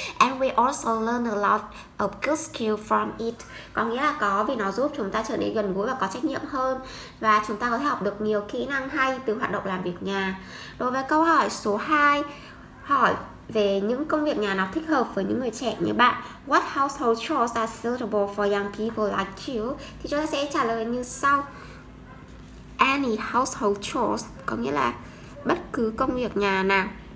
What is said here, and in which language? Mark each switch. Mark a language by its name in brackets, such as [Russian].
[English] And we also learn a lot of good skills from it. [Vietnamese] Có nghĩa là có vì nó giúp chúng ta trở nên gần gũi và có trách nhiệm hơn. Và chúng ta có thể học được nhiều kỹ năng hay từ hoạt động làm việc nhà. Đối với câu hỏi số 2, hỏi về những công việc nhà nào thích hợp với những người trẻ như bạn. [English] What household chores are suitable for young people like you? [Vietnamese] Thì chúng ta sẽ trả lời như sau. [English] Any household chores, [Vietnamese] có nghĩa là bất cứ công việc nhà nào.